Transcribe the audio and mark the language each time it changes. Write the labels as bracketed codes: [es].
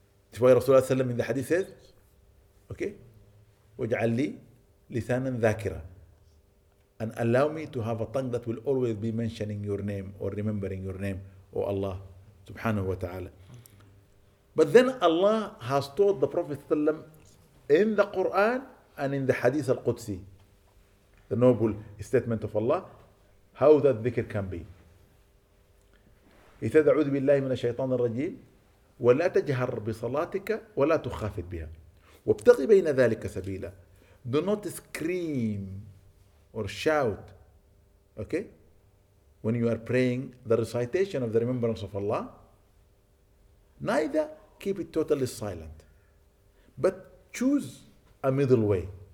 [en] That's why Rasulullah sallam in the hadith says, okay, [ar] waj'al li lithanan dhakira, [en] and allow me to have a tongue that will always be mentioning your name or remembering your name, O Allah subhanahu wa ta'ala. But then Allah has taught the Prophet sallam in the Quran and in the hadith al-Qudsi, the noble statement of Allah, how that dhikr can be. He said, [ar] أعوذ بالله من الشيطان الرجيم ولا تجهر بصلاتك ولا تخافت بها وابتغ بين ذلك سبيلا. [en] Do not scream or shout, okay, when you are praying the recitation of the remembrance of Allah. Neither keep it totally silent, but choose a middle way.